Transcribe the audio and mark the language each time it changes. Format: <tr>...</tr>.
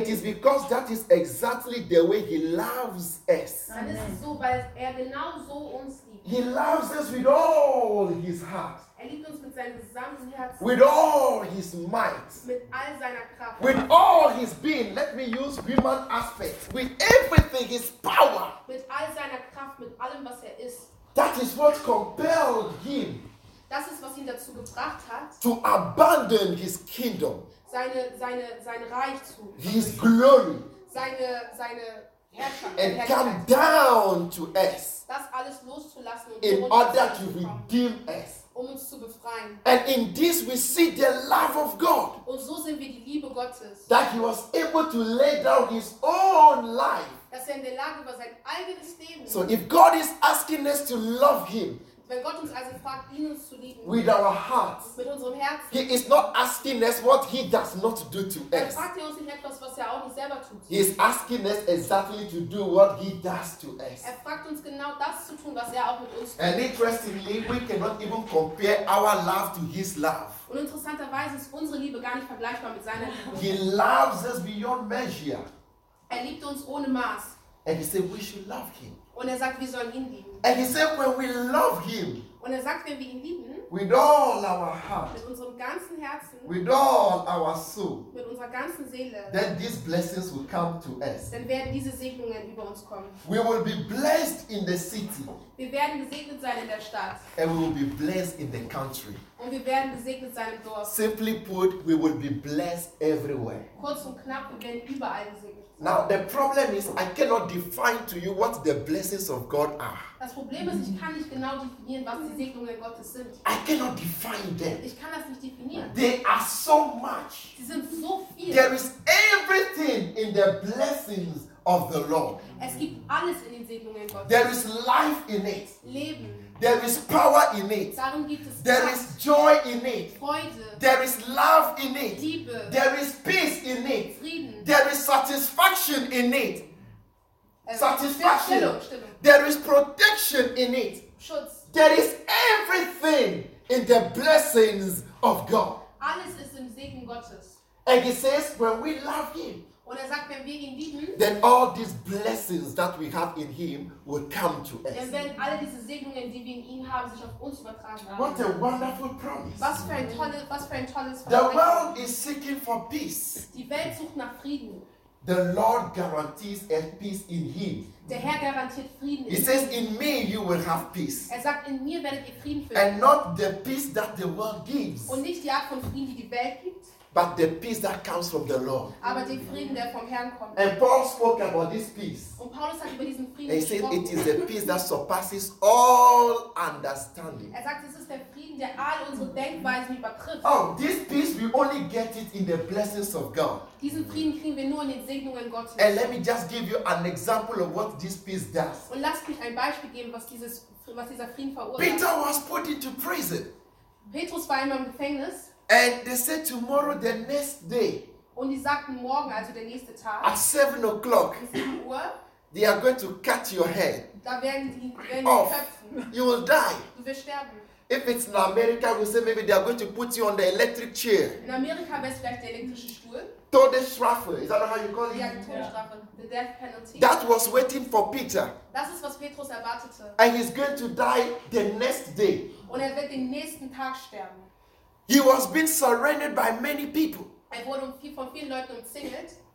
<en>it is because that is exactly the way he loves us.</en> <de>Dann ist es so, weil er genau so uns liebt.</de> <en>He loves us with all his heart.</en> <de>Er liebt uns mit</de> <en>with all his might,</en> <de>mit all seiner Kraft,</de> <en>with all his being, let me use human aspects, with everything, his power,</en> <de>mit all seiner Kraft, mit allem, was er ist.</de> <en>That is what compelled him,</en> <de>das ist, was ihn dazu gebracht hat,</de> <en>to abandon his kingdom,</en> <de>sein Reich zu,</de> <en>his glory,</en> <de>seine</de> <en>and come down to us,</en> <de>das alles loszulassen,</de> <en>in order to redeem us,</en> <de>uns zu befreien.</de> <en>And in this we see the love of God.</en> <de>Und so sehen wir die Liebe Gottes,</de> <en>that he was able to lay down his own life.</en> <de>Dass er in der Lage war, sein eigenes Leben.</de> <en>So if God is asking us to love him,</en> <de>wenn Gott uns also fragt, ihn uns zu lieben,</de> <en>with our hearts,</en> <de>mit unserem Herzen,</de> <en>he is not asking us what he does not do to us.</en> <de>Dann fragt er uns nicht etwas, was er auch nicht selber tut.</de> <en>He is asking us exactly to do what he does to us.</en> <de>Er fragt uns genau das zu tun, was er auch mit uns tut.</de> <en>And interestingly, we cannot even compare our love to his love.</en> <de>Und interessanterweise ist unsere Liebe gar nicht vergleichbar mit seiner Liebe.</de> <en>He loves us beyond measure.</en> <de>Er liebt uns ohne Maß.</de> <en>And he said, we should love him.</en> <de>Und sagt, wir sollen ihn lieben.</de> <en>And he said, when we love him,</en> <de>und sagt, wenn wir ihn lieben,</de> <en>with all our heart,</en> <de>mit unserem ganzen Herzen,</de> <en>with all our soul,</en> <de>mit unserer ganzen Seele,</de> <en>then these blessings will come to us.</en> <de>Dann werden diese Segnungen über uns kommen.</de> <en>We will be blessed in the city.</en> <de>Wir werden gesegnet sein in der Stadt.</de> <en>And we will be blessed in the country.</en> <de>Und wir werden gesegnet sein im Dorf.</de> <en>Simply put, we will be blessed everywhere.</en> <de>Kurz und knapp, wir werden überall gesegnet.</de> <en>Now the problem is I cannot define to you what the blessings of God are.</en> <de>Das Problem ist, ich kann nicht genau definieren, was die Segnungen Gottes sind.</de> <en>I cannot define them.</en> <de>Ich kann das nicht definieren.</de> <en>They are so much.</en> <de>Sie sind so viel.</de> <en>There is everything in the blessings of the Lord.</en> <de>Es gibt alles in den Segnungen Gottes.</de> <en>There is life in it.</en> <de>Leben.</de> <en>There is power in it.</en> <de>Darum gibt es</de> <en>there</en> <de>Kraft.</de> <en>Is joy in it.</en> <de>Freude.</de> <en>There is love in it.</en> <de>Liebe.</de> <en>There is peace in it.</en> <de>Frieden.</de> <en>There is satisfaction in it. Satisfaction.</en> <de>Stimmung.</de> <en>There is protection in it.</en> <de>Schutz.</de> <en>There is everything in the blessings of God.</en> <de>Alles ist im Segen Gottes.</de> <en>And he says, when we love him,</en> <de>und sagt, wenn wir ihn lieben,</de> <en>then all these blessings that we have in him will come to us.</en> <de>Dann werden alle diese Segnungen, die wir in ihm haben, sich auf uns übertragen.</de> <en>What a wonderful promise.</en> <de>Was für ein tolles Versprechen.</de> <en>The world is seeking for peace.</en> <de>Die Welt sucht nach Frieden.</de> <en>The Lord guarantees a peace in him.</en> <de>Der Herr garantiert Frieden in</de> <en>ihm. He says, in me you will have peace.</en> <de>Er sagt, in mir werdet ihr Frieden finden.</de> <en>And not the peace that the world gives.</en> <de>Und nicht die Art von Frieden, die die Welt gibt.</de> <en>But the peace that comes from the Lord.</en> <de>Aber den Frieden, der vom Herrn kommt.</de> <en>And Paul spoke about this peace.</en> <de>Und Paulus hat über diesen Frieden</de> <en>he</en> <de>gesprochen.</de> <en>Said it is the peace that surpasses all understanding.</en> <de>Er sagt, es ist der Frieden, der all unsere Denkweisen übertrifft.</de> <en>Oh, this peace we only get it in the blessings of God.</en> <de>Diesen Frieden kriegen wir nur in den Segnungen Gottes.</de> <en>And let me just give you an example of what this peace does.</en> <de>Und lass mich ein Beispiel geben, was dieser Frieden verursacht.</de> <en>Peter was put into prison.</en> <de>Petrus war immer im Gefängnis.</de> <en>And they said tomorrow, the next day.</en> <de>Und die sagten morgen, also der nächste Tag.</de> <en>At 7 o'clock. They are going to cut your head.</en> <de>Da werden die off. Köpfen.</de> <en>You will die.</en> <de>Du wirst sterben.</de> <en>If it's in America, we say maybe they are going to put you on the electric chair.</en> <de>In Amerika wäre es vielleicht der elektrische Stuhl. Todesstrafe.</de> <en>Is that how you call it?</en> <de>Ja, die Todesstrafe.</de> <en>The death penalty. That was waiting for Peter.</en> <de>Das ist, was Petrus erwartete.</de> <en>And he's going to die the next day.</en> <de>Und wird den nächsten Tag sterben.</de> <en>He was being surrounded by many people.</en> <de>Er wurde von vielen Leuten umzingelt.</de>